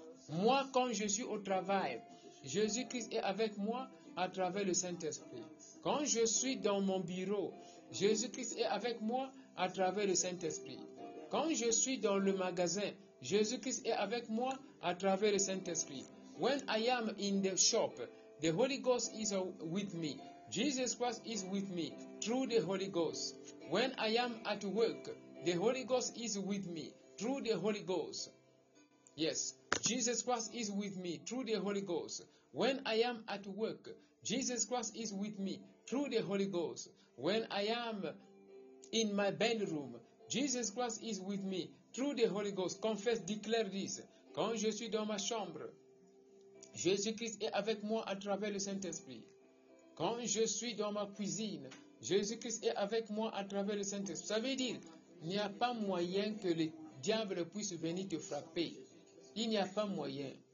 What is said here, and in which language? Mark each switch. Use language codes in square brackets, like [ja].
[fr] Moi, quand je suis au travail, Jésus-Christ est avec moi à travers le Saint-Esprit. Quand je suis dans mon bureau, Jésus-Christ est avec moi à travers le Saint-Esprit. Quand je suis dans le magasin, Jésus-Christ est avec moi à travers le Saint-Esprit. [en] When I am in the shop, the Holy Ghost is with me. Jesus Christ is with me through the Holy Ghost. When I am at work, the Holy Ghost is with me through the Holy Ghost. Yes, Jesus Christ is with me through the Holy Ghost. When I am at work, Jesus Christ is with me through the Holy Ghost. When I am in my bedroom, Jesus Christ is with me through the Holy Ghost. Confess, declare this. [fr] Quand je suis dans ma chambre, Jésus-Christ est avec moi à travers le Saint-Esprit. Quand je suis dans ma cuisine, Jésus-Christ est avec moi à travers le Saint-Esprit. Ça veut dire, il n'y a pas moyen que le diable puisse venir te frapper. Il n'y a pas moyen.